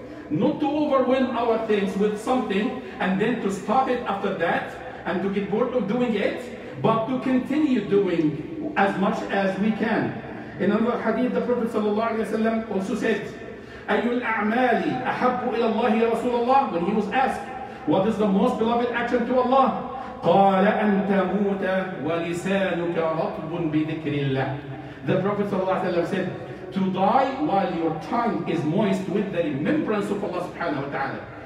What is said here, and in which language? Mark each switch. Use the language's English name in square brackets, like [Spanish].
[English] Not to overwhelm our things with something and then to stop it after that and to get bored of doing it, but to continue doing as much as we can. In another hadith, the Prophet ﷺ also said, [Arabic] أَيُّ الْأَعْمَالِ أَحَبُّ إِلَى اللَّهِ رَسُولَ اللَّهِ. [English] When he was asked, what is the most beloved action to Allah? [Arabic] قال أن تموت ولسانك رطب بذكر الله. [English] The Prophet ﷺ said, to die while your tongue is moist with the remembrance of Allah subhanahu wa ta'ala.